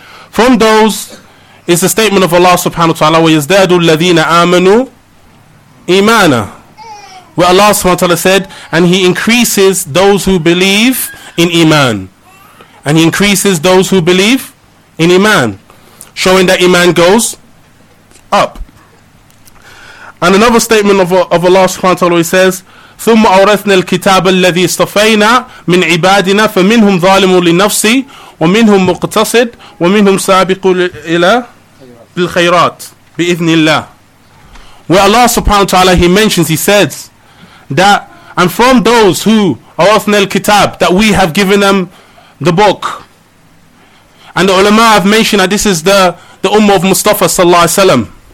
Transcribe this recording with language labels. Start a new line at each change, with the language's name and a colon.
English: From those is the statement of Allah subhanahu wa ta'ala,
Arabic: وَيَزْدَادُ الَّذِينَ آمَنُوا إِمَانًا,
English: where Allah subhanahu wa ta'ala said, and He increases those who believe in iman. And He increases those who believe in iman. Showing that iman goes up. And another statement of Allah subhanahu wa ta'ala, He says,
Arabic: ثم أورثنا الكتاب الذي اصطفينا من عبادنا فمنهم ظالم لنفسه ومنهم مقتصد ومنهم سابق إلى بالخيرات بإذن الله.
English: Where Allah subhanahu wa ta'ala, He mentions, He says that, and from those who
Arabic: أورثنا الكتاب,
English: that we have given them the book. And the ulama have mentioned that this is the ummah of Mustafa sallallahu alaihi wasallam.